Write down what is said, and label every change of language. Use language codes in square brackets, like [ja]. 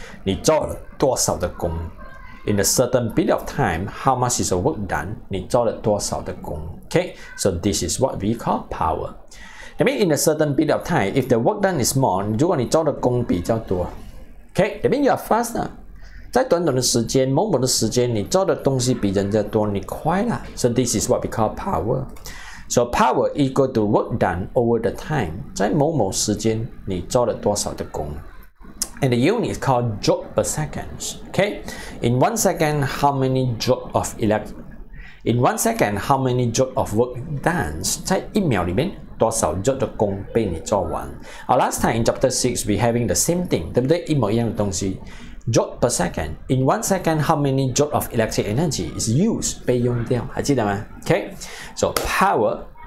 [zh] 你做了多少的工? [en] In a certain period of time, how much is the work done? [zh] 你做了多少的工? [en] Okay, so this is what we call power. I mean, in a certain period of time, if the work done is more, [zh] 如果你做的工比较多 [en] okay, that means you are faster. [zh] 在短短的时间，某某的时间，你做的东西比人家多，你快啦。 [en] So this is what we call power. So power equal to work done over the time. [zh] 在某某时间，你做了多少的工。 [en] And the unit is called joule per second. Okay, in 1 second, how many joule of In 1 second, how many joule of work done? [zh] 在一秒里面多少做的工被你做完 [en] last time in chapter 6 we having the same thing [zh] 对不对一模一样的东西 [en] joule per second in 1 second how many joule of electric energy is used [zh] 被用掉还记得吗 [en] okay so power